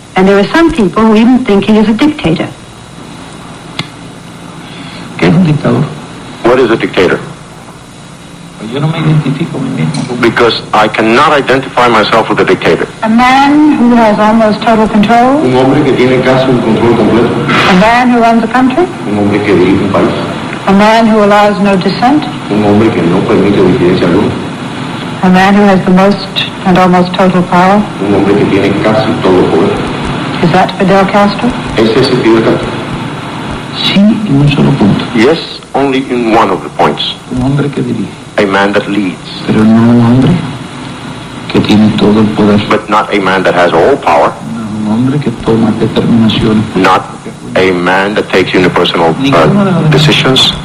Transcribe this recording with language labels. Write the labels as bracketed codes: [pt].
[en] And there are some people who even think he is a dictator. [es] ¿Qué es un dictador? [en] What is a dictator? [es] Yo no me identifico a mí mismo. [en] Because I cannot identify myself with a dictator. A man who has almost total control. [es] Un hombre que tiene casi un control completo. [en] A man who runs a country. [es] Un hombre que dirige un país. [en] A man who allows no dissent. [es] Un hombre que no permite disidencia alguna. [en] A man who has the most and almost total power. [es] Un hombre que tiene casi todo el poder. [en] Is that Fidel Castro? [es] ¿Es ese Fidel Castro? Sí, en un solo punto. [en] Yes, only in one of the points. [es] Un hombre que dirige. [en] A man that leads. [es] Pero no un hombre que tiene todo el poder. [en] But not a man that has all power. [es] No, un hombre que toma determinaciones. [en] Not a man that takes unipersonal decisions.